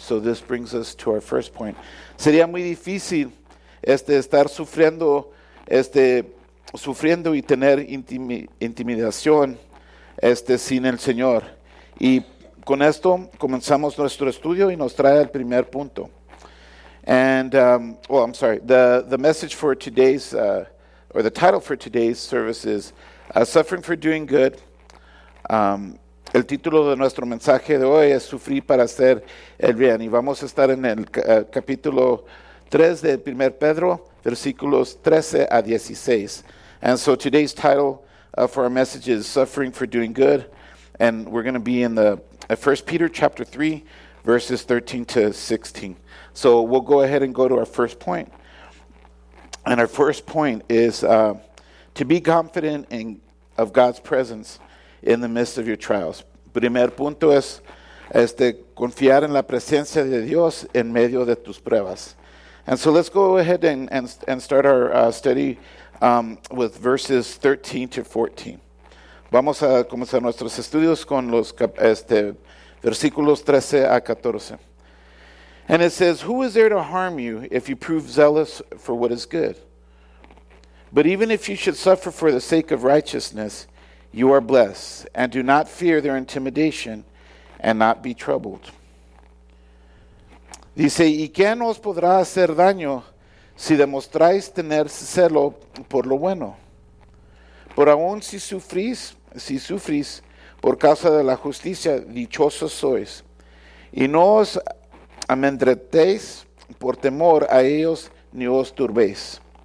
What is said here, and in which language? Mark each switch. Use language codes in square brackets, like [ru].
[en] So this brings us to our first point. [es] Sería muy difícil estar sufriendo sufriendo y tener intimidación sin el Señor. Y con esto comenzamos nuestro estudio y nos trae el primer punto. [en] And, I'm sorry, the message for today's, or the title for today's service is Suffering for Doing Good. [es] El título de nuestro mensaje de hoy es Sufrir para Hacer el Bien. Y vamos a estar en el capítulo 3 de 1 Pedro, versículos 13 a 16. [en] And so today's title for our message is Suffering for Doing Good. And we're going to be in the 1 Peter chapter 3, verses 13 to 16. So we'll go ahead and go to our first point. And our first point is to be confident of God's presence in the midst of your trials. [es] Primer punto es confiar en la presencia de Dios en medio de tus pruebas. [en] And so let's go ahead and start our study with verses 13 to 14. [es] Vamos a comenzar nuestros estudios con los versículos 13 a 14. [en] And it says, who is there to harm you if you prove zealous for what is good? But even if you should suffer for the sake of righteousness, you are blessed, and do not fear their intimidation, and not be troubled. [es] Dice, ¿y quién os podrá hacer daño si demostráis tener celo por lo bueno? Por aún si sufrís por causa de la justicia, dichosos sois, y no os amedrentéis por temor a ellos, ni os turbéis.